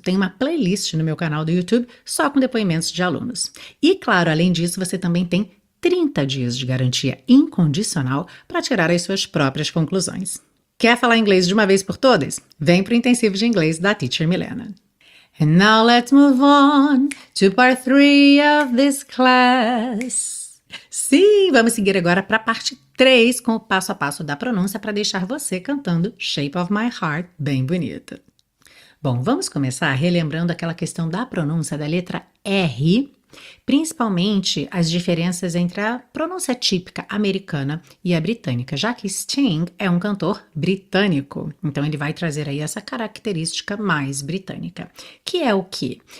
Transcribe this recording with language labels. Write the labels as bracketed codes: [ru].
[pt] Tem uma playlist no meu canal do YouTube só com depoimentos de alunos. E, claro, além disso, você também tem 30 dias de garantia incondicional para tirar as suas próprias conclusões. Quer falar inglês de uma vez por todas? Vem para o Intensivo de Inglês da Teacher Milena. [en] And now let's move on to part 3 of this class. [pt] Sim, vamos seguir agora para a parte 3 com o passo a passo da pronúncia para deixar você cantando Shape of My Heart bem bonito. Bom, vamos começar relembrando aquela questão da pronúncia da letra R. Principalmente as diferenças entre a pronúncia típica americana e a britânica, já que Sting é um cantor britânico, então ele vai trazer aí essa característica mais britânica, que é o quê?